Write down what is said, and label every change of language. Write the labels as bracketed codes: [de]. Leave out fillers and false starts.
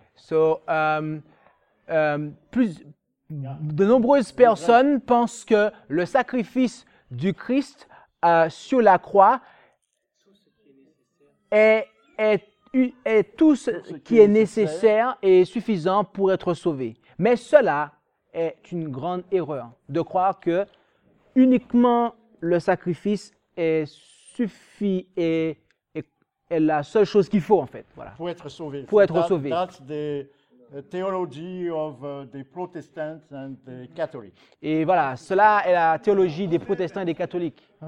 [fr] So, de nombreuses personnes pensent que le sacrifice du Christ sur la croix est tout ce qui est nécessaire et suffisant pour être sauvé. Mais cela est une grande erreur de croire que uniquement le sacrifice est la seule chose qu'il faut, en fait. Voilà. Pour être sauvé. [en] That's the theology of the Protestants and the Catholics. [fr] Et voilà, cela est la théologie des protestants et des catholiques.